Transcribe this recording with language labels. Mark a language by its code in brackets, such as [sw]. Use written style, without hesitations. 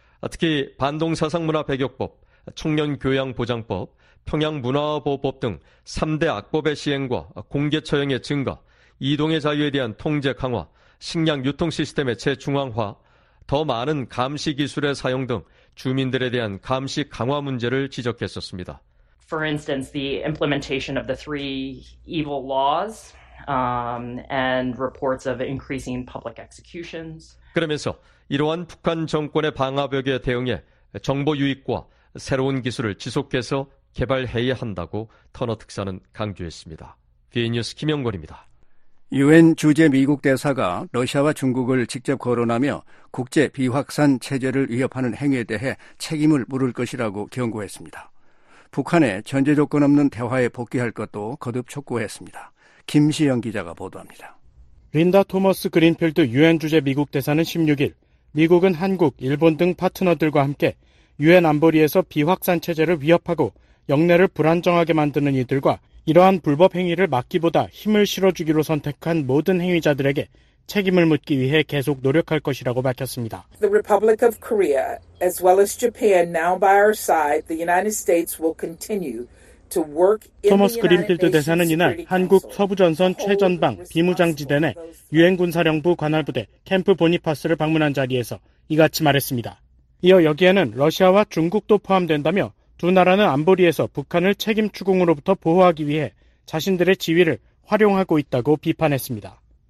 [ko] 특히 반동사상문화배격법, 청년교양보장법, 평양문화보호법 등 3대 악법의 시행과 공개 처형의 증가, 이동의 자유에 대한 통제 강화, 식량 유통 시스템의 재중앙화, 더 많은 감시 기술의 사용 등 주민들에 대한 감시 강화 문제를 지적했었습니다. [en] For instance, the implementation of the three evil laws and reports of increasing public executions. [ko] 그러면서 이러한 북한 정권의 방화벽에 대응해 정보 유입과 새로운 기술을 지속해서 개발해야 한다고 터너 특사는 강조했습니다. VN 뉴스 김영권입니다. 유엔 주재 미국 대사가 러시아와 중국을 직접 거론하며 국제 비확산 체제를 위협하는 행위에 대해 책임을 물을 것이라고 경고했습니다. 북한의 전제 조건 없는 대화에 복귀할 것도 거듭 촉구했습니다. 김시영 기자가 보도합니다. 린다 토머스 그린필드 유엔 주재 미국 대사는 16일 미국은 한국, 일본 등 파트너들과 함께 유엔 안보리에서 비확산 체제를 위협하고 영내를 불안정하게 만드는 이들과 이러한 불법 행위를 막기보다 힘을 실어주기로 선택한 모든 행위자들에게 책임을 묻기 위해 계속 노력할 것이라고 밝혔습니다. [en] The Republic of Korea, as well as Japan, now by our side, the United States will continue to work. [ko] 토머스 그린필드 대사는 이날 한국 서부전선 최전방 비무장지대 내 유엔 군사령부 관할부대 캠프 보니파스를 방문한 자리에서 이같이 말했습니다. 이어 여기에는 러시아와 중국도 포함된다며 두 나라는 안보리에서 북한을 책임 추궁으로부터 보호하기 위해 자신들의 지위를 활용하고 있다고 비판했습니다.